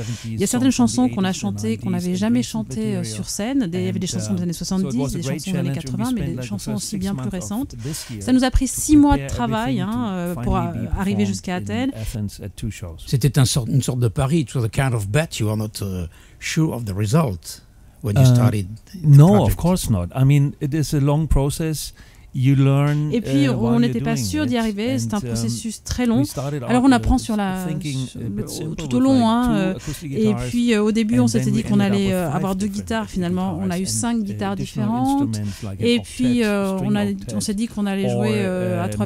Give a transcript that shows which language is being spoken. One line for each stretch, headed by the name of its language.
French: Il y a certaines chansons qu'on a chantées, qu'on n'avait jamais chantées sur scène. Il y avait des chansons des années 70, des chansons des années 80, mais des chansons aussi bien plus récentes. Ça nous a pris 6 mois de travail pour arriver jusqu'à C'était une sorte de pari.
English: It was a kind of bet. You are not sure of the result when you started. No, of course not. I mean, it is a long process. You learn.
French: Et puis on n'était pas sûr d'y arriver. C'est un processus très long. Alors on apprend sur la tout au long. Et puis au début, on s'était dit qu'on allait avoir deux guitares. Finalement, on a eu 5 guitares différentes. Et puis on s'est dit qu'on allait jouer à 3.